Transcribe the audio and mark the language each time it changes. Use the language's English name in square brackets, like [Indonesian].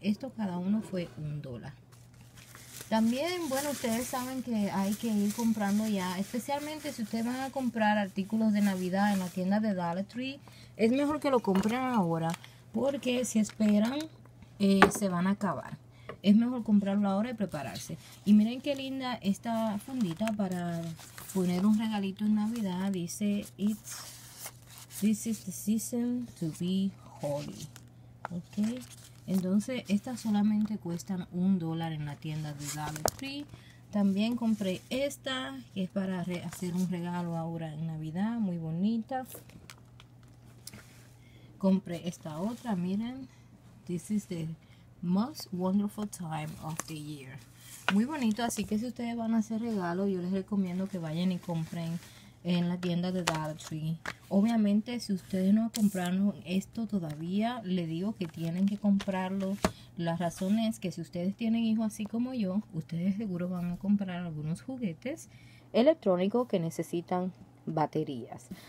[Spanish] Esto cada uno fue $1. También, bueno, ustedes saben que hay que ir comprando ya, especialmente si ustedes van a comprar artículos de Navidad en la tienda de Dollar Tree, es mejor que lo compren ahora, porque si esperan, se van a acabar. Es mejor comprarlo ahora y prepararse. Y miren qué linda esta fundita para poner un regalito en Navidad. Dice, [English] This is the season to be holy. [Spanish] Ok. Entonces, estas solamente cuestan $1 en la tienda de Dollar Tree. También compré esta, que es para hacer un regalo ahora en Navidad. Muy bonita. Compré esta otra, miren. [English] This is the most wonderful time of the year. [Spanish] Muy bonito, así que si ustedes van a hacer regalo, yo les recomiendo que vayan y compren en la tienda de Dollar Tree. Obviamente, si ustedes no compraron esto todavía, le digo que tienen que comprarlo. La razón es que si ustedes tienen hijos así como yo, ustedes seguro van a comprar algunos juguetes electrónicos que necesitan baterías.